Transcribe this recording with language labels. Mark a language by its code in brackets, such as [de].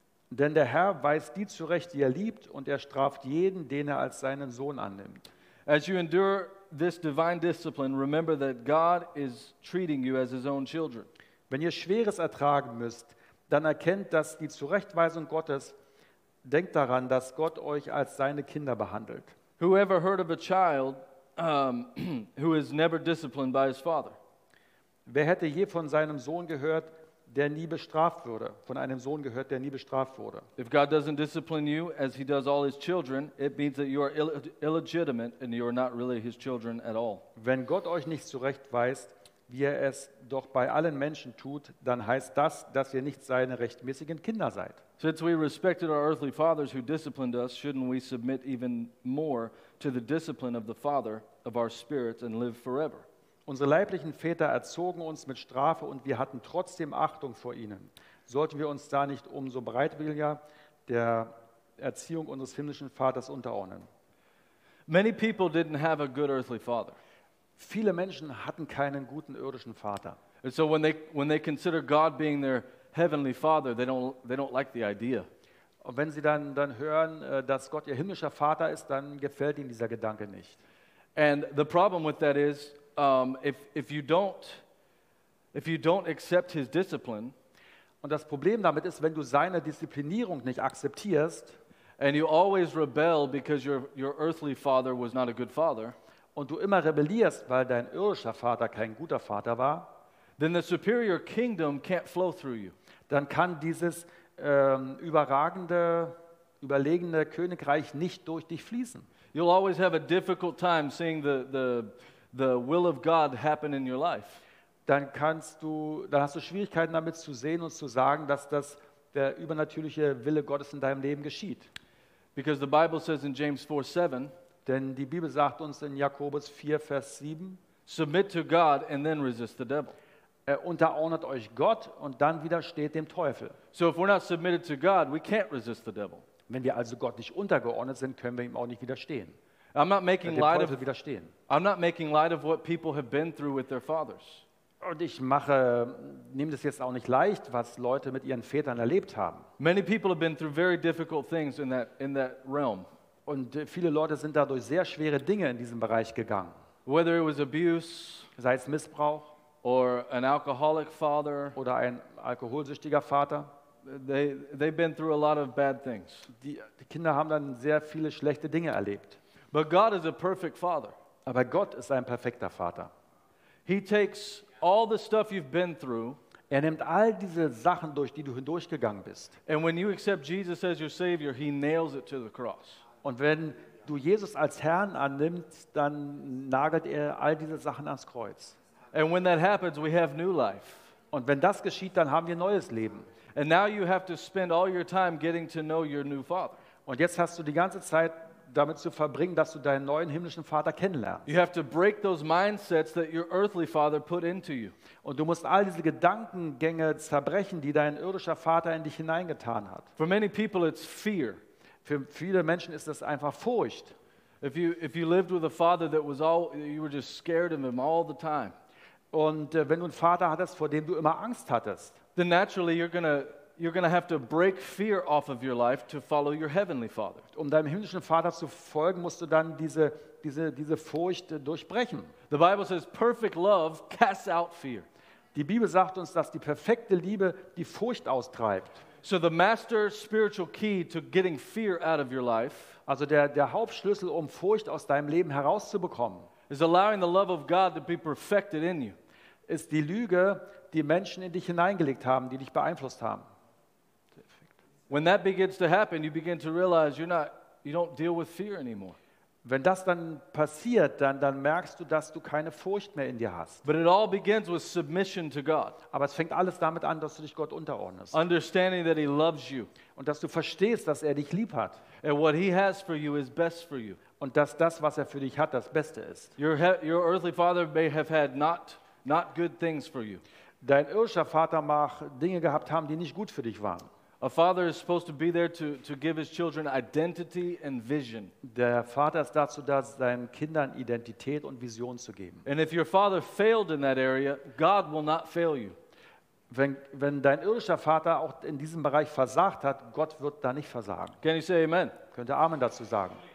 [de] Denn der Herr weist die zurecht, die er liebt, und er straft jeden, den er als seinen Sohn annimmt. [en] As you endure this divine discipline, remember that God is treating you as his own children. [de] Wenn ihr Schweres ertragen müsst, dann erkennt, dass die Zurechtweisung Gottes, denkt daran, dass Gott euch als seine Kinder behandelt. [en] Whoever heard of a child who is never disciplined by his father? [de] Wer hätte je von seinem Sohn gehört, der nie bestraft wurde? Von einem Sohn gehört, der nie bestraft wurde. [en] If God doesn't discipline you as he does all his children, it means that you are illegitimate and you are not really his children at all. [de] Wenn Gott euch nicht zurechtweist, wie er es doch bei allen Menschen tut, dann heißt das, dass ihr nicht seine rechtmäßigen Kinder seid. [en] Since we respected our earthly fathers who disciplined us, shouldn't we submit even more to the discipline of the Father of our spirits and live forever? [de] Unsere leiblichen Väter erzogen uns mit Strafe und wir hatten trotzdem Achtung vor ihnen. Sollten wir uns da nicht umso bereitwilliger der Erziehung unseres himmlischen Vaters unterordnen? [en] Many people didn't have a good earthly father. [de] Viele Menschen hatten keinen guten irdischen Vater. [en] And so when they consider God being their heavenly father, they don't like the idea. [de] Und wenn sie dann hören, dass Gott ihr himmlischer Vater ist, dann gefällt ihnen dieser Gedanke nicht. [en] And the problem with that is if you don't accept his discipline, [de] und das Problem damit ist, wenn du seine Disziplinierung nicht akzeptierst, [en] and you always rebel because your earthly father was not a good father, [de] und du immer rebellierst, weil dein irdischer Vater kein guter Vater war, [en] then the superior kingdom can't flow through you. [de] Dann kann dieses überlegene Königreich nicht durch dich fließen. [en] You'll always have a difficult time seeing the will of God happen in your life. [de] Dann hast du Schwierigkeiten damit zu sehen und zu sagen, dass das der übernatürliche Wille Gottes in deinem Leben geschieht. [en] Because the Bible says in James 4:7, [de] denn die Bibel sagt uns in Jakobus 4, Vers 7, [en] submit to God and then resist the devil. [de] Unterordnet euch Gott und dann widersteht dem Teufel. [en] So if we're not submitted to God, we can't resist the devil. [de] Wenn wir also Gott nicht untergeordnet sind, können wir ihm auch nicht widerstehen. [en] I'm not making light of what people have been through with their fathers. [de] Und ich nehme das jetzt auch nicht leicht, was Leute mit ihren Vätern erlebt haben. [en] Many people have been through very difficult things in that realm. [de] Und viele Leute sind dadurch sehr schwere Dinge in diesem Bereich gegangen. [en] Whether it was abuse, [de] sei es Missbrauch, [en] or an alcoholic father, [de] oder ein alkoholsüchtiger Vater, [en] they've been through a lot of bad things. [de] Die Kinder haben dann sehr viele schlechte Dinge erlebt. [en] But God is a perfect father. [de] Aber Gott ist ein perfekter Vater. [en] He takes all the stuff you've been through. [de] Er nimmt all diese Sachen durch, die du hindurchgegangen bist. [en] And when you accept Jesus as your Savior, he nails it to the cross. [de] Und wenn du Jesus als Herrn annimmst, dann nagelt er all diese Sachen ans Kreuz. [en] And when that happens, we have new life. [de] Und wenn das geschieht, dann haben wir neues Leben. [en] And now you have to spend all your time getting to know your new father. [de] Und jetzt hast du die ganze Zeit damit zu verbringen, dass du deinen neuen himmlischen Vater kennenlernst. [en] You have to break those mindsets that your earthly father put into you. [de] Und du musst all diese Gedankengänge zerbrechen, die dein irdischer Vater in dich hineingetan hat. [en] For many people it's fear. [de] Für viele Menschen ist das einfach Furcht. [en] If you lived with a father that was all, you were just scared of him all the time. [de] Und wenn du einen Vater hattest, vor dem du immer Angst hattest, [en] then naturally you're gonna have to break fear off of your life to follow your heavenly father. [de] Um deinem himmlischen Vater zu folgen, musst du dann diese Furcht durchbrechen. [en] The Bible says perfect love casts out fear. [de] Die Bibel sagt uns, dass die perfekte Liebe die Furcht austreibt. [en] So the master spiritual key to getting fear out of your life, [de] also der Hauptschlüssel, um Furcht aus deinem Leben herauszubekommen, [en] is allowing the love of God to be perfected in you. [de] Ist die Lüge, die Menschen in dich hineingelegt haben, die dich beeinflusst haben. [en] When that begins to happen, you begin to realize you don't deal with fear anymore. [de] Wenn das dann passiert, dann merkst du, dass du keine Furcht mehr in dir hast. [en] But it all begins with submission to God. [de] Aber es fängt alles damit an, dass du dich Gott unterordnest. [en] Understanding that he loves you. [de] Und dass du verstehst, dass er dich lieb hat. [en] And what he has for you is best for you. [de] Und dass das, was er für dich hat, das Beste ist. [en] Your earthly father may have had not good things for you. [de] Dein irdischer Vater mag Dinge gehabt haben, die nicht gut für dich waren. [en] A father is supposed to be there to give his children identity and vision. [de] Der Vater ist dazu da, seinen Kindern Identität und Vision zu geben. [en] And if your father failed in that area, God will not fail you. [de] Wenn dein irdischer Vater auch in diesem Bereich versagt hat, Gott wird da nicht versagen. [en] Can you say amen? [de] Könnt ihr Amen dazu sagen?